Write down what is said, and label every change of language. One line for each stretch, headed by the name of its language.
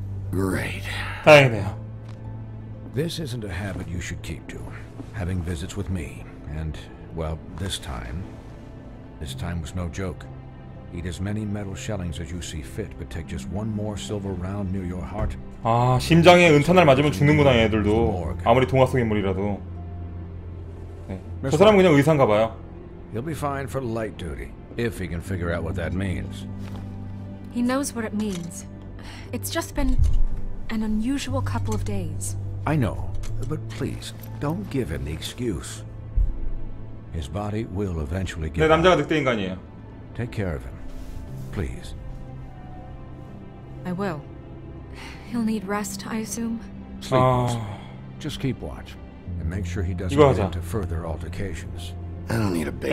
English: Great.
Korean: 다행이네요.
English: This isn't a habit you should keep to, having visits with me. And, well, this time was no joke. Eat as many metal shellings as you see fit, but take just one more silver round near your heart.
Korean: 아, 심장에 은탄을 맞으면 죽는구나, 얘들도. 아무리 동화 속 인물이라도. 네. 저 사람은 그냥 의사인가 봐요.
English: He'll be fine for light duty, if he can figure out what that means. He knows what it means. It's just been an unusual couple of days. I know, but please, don't give him the excuse. His body will eventually give
Korean: up. 네, 남자가 늑대 인간이에요.
English: Take care of him, please. I will. He'll need rest, I assume. Sleep. Just keep watch, and make sure he doesn't get into further altercations. I don't need a base.